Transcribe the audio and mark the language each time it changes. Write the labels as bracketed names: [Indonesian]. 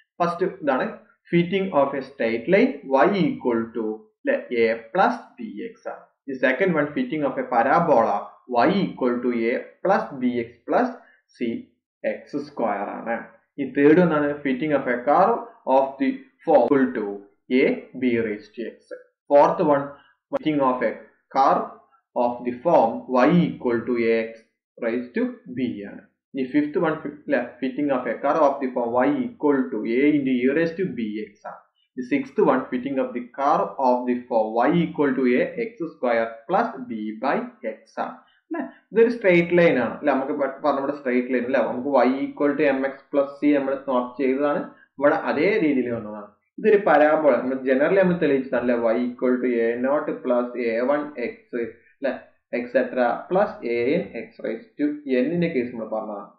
[English] First ഇതാണ് fitting of a straight line y equal to അല്ലെ a plus b x ആണ്. ഇനി second one fitting of a parabola y equal to a plus b x plus c x square ആണ്. ഈ third എന്നാണ് fitting of a curve of the form equal to a b raised to x. Fourth one, fitting of a curve of the form y equal to ax raised to b. The fifth one, fitting of a curve of the form y equal to a into e raised to bx. The sixth one, fitting of the curve of the form y equal to ax square plus b by x. [Malayalam] ഇതൊരു straight line ആണ് അല്ലെ, നമുക്ക് പറഞ്ഞ straight line അല്ലെ. നമുക്ക് y [English] equal to m x plus c [Malayalam] നമ്മൾ not ചെയ്തതാണ്, ഇവിടെ അതേ രീതിയിൽ വന്നതാണ്. ഇതൊരു പരാബോള, നമ്മൾ ജനറലി നമ്മൾ തെളിയിച്ചതാണ് അല്ലെ, Y equal to A not plus A one X അല്ലെ etcetera plus A N X raise to എന്നിന്റെ കേസ് നമ്മൾ പറഞ്ഞതാണ്.